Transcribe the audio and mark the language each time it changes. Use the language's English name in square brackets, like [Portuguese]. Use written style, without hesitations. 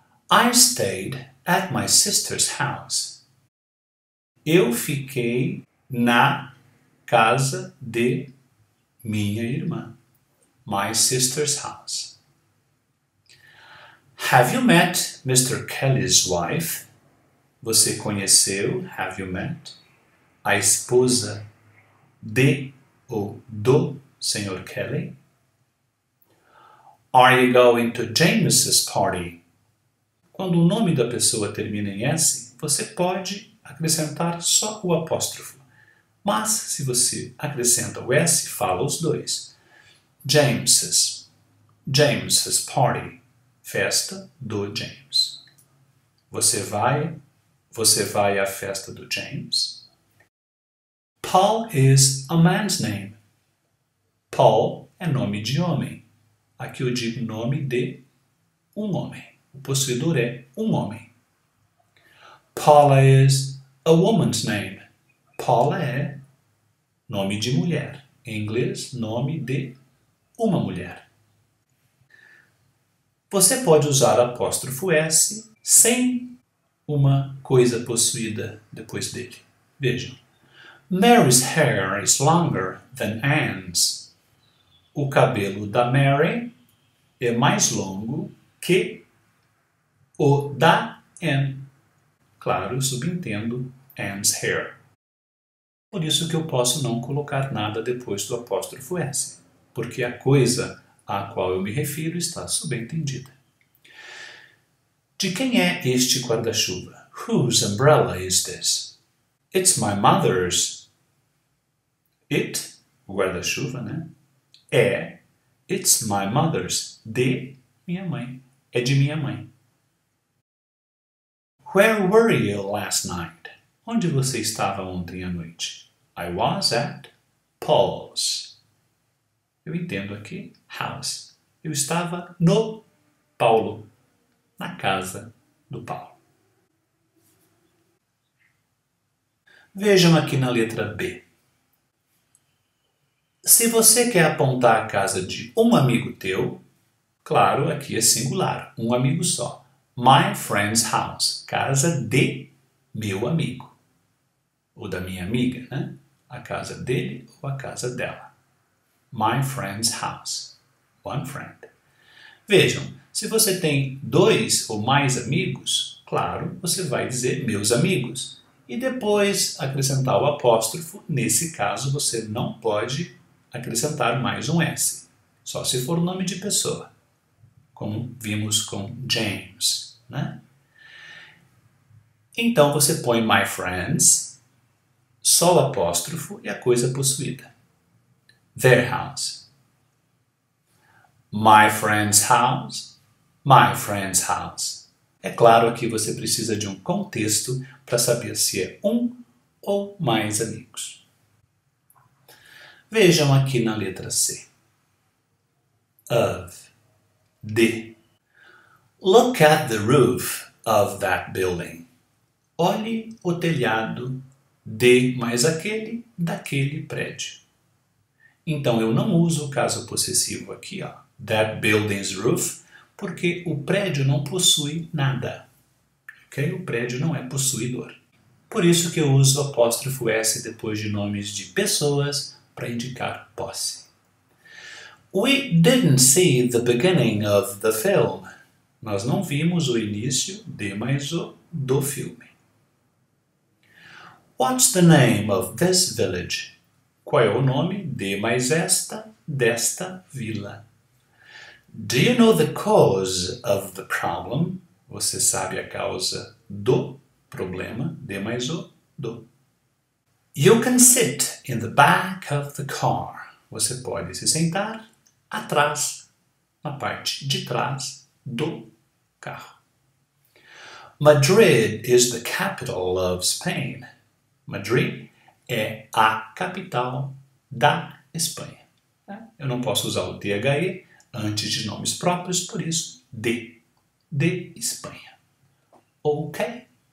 [English] I stayed at my sister's house. [Portuguese] Eu fiquei na casa de minha irmã. [English] My sister's house. Have you met Mr. Kelly's wife? [Portuguese] Você conheceu, [English] have you met, [Portuguese] a esposa de ou do Sr. [English] Kelly? Are you going to James's party? [Portuguese] Quando o nome da pessoa termina em S, você pode acrescentar só o apóstrofo. Mas se você acrescenta o S, fala os dois. [English] James's. James's party. [Portuguese] Festa do James. Você vai à festa do James? [English] Paul is a man's name. [Portuguese] Paul é nome de homem. Aqui eu digo nome de um homem. O possuidor é um homem. [English] Paula is a woman's name. [Portuguese] Paula é nome de mulher. Em inglês, nome de uma mulher. Você pode usar apóstrofo S sem uma coisa possuída depois dele. Vejam. [English] Mary's hair is longer than Anne's. [Portuguese] O cabelo da Mary é mais longo que o da Anne. Claro, subentendo [English] Anne's hair. [Portuguese] Por isso que eu posso não colocar nada depois do apóstrofo S, porque a coisa a qual eu me refiro está subentendida. De quem é este guarda-chuva? [English] Whose umbrella is this? It's my mother's. [Portuguese] It, o guarda-chuva, né? É. [English] It's my mother's. [Portuguese] De minha mãe. É de minha mãe. [English] Where were you last night? [Portuguese] Onde você estava ontem à noite? [English] I was at Paul's. [Portuguese] Eu entendo aqui. [English] House. [Portuguese] Eu estava no Paulo. Na casa. Do Paulo. Vejam aqui na letra B. Se você quer apontar a casa de um amigo teu, claro, aqui é singular, um amigo só. [English] My friend's house, [Portuguese] casa de meu amigo. Ou da minha amiga, né? A casa dele ou a casa dela. [English] My friend's house, one friend. [Portuguese] Vejam, se você tem dois ou mais amigos, claro, você vai dizer meus amigos e depois acrescentar o apóstrofo. Nesse caso, você não pode acrescentar mais um S, só se for o nome de pessoa, como vimos com James, né? Então você põe my friends, só o apóstrofo e a coisa possuída. [English] Their house. My friend's house. My friend's house. [Portuguese] É claro que você precisa de um contexto para saber se é um ou mais amigos. Vejam aqui na letra C. Of. De. [English] Look at the roof of that building. [Portuguese] Olhe o telhado de mais aquele daquele prédio. Então eu não uso o caso possessivo aqui, ó. [English] That building's roof, [Portuguese] Porque o prédio não possui nada. Okay? O prédio não é possuidor. Por isso que eu uso o apóstrofo S depois de nomes de pessoas para indicar posse. [English] We didn't see the beginning of the film. [Portuguese] Nós não vimos o início de mais o do filme. [English] What's the name of this village? [Portuguese] Qual é o nome de mais esta desta vila? [English] Do you know the cause of the problem? [Portuguese] Você sabe a causa do problema? D mais o do. [English] You can sit in the back of the car. [Portuguese] Você pode se sentar atrás, na parte de trás do carro. [English] Madrid is the capital of Spain. [Portuguese] Madrid é a capital da Espanha. Eu não posso usar o THE antes de nomes próprios, por isso, de Espanha. Ok?